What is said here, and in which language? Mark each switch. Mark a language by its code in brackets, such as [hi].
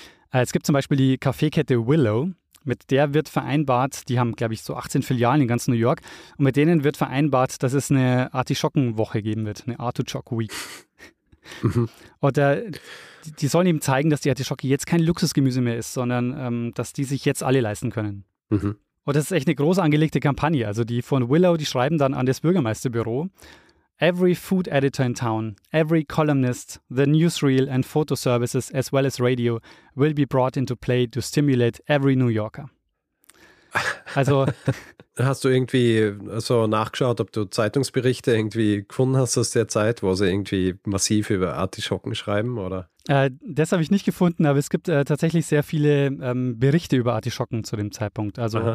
[de] Es gibt zum Beispiel die Kaffeekette Willow, mit der wird vereinbart, die haben, glaube ich, so 18 Filialen in ganz New York, und mit denen wird vereinbart, dass es eine Artischockenwoche geben wird, eine [en] Artichoke Week. [de] Mhm. Und die sollen eben zeigen, dass die Artischocke jetzt kein Luxusgemüse mehr ist, sondern dass die sich jetzt alle leisten können. Mhm. Und das ist echt eine groß angelegte Kampagne. Also die von Willow, die schreiben dann an das Bürgermeisterbüro: [en] Every food editor in town, every columnist, the newsreel and photo services as well as radio will be brought into play to stimulate every New Yorker. [de] Also hast du irgendwie so nachgeschaut, ob du Zeitungsberichte irgendwie gefunden hast aus der Zeit, wo sie irgendwie massiv über Artischocken schreiben, oder? Das habe ich nicht gefunden, aber es gibt tatsächlich sehr viele Berichte über Artischocken zu dem Zeitpunkt. Also aha.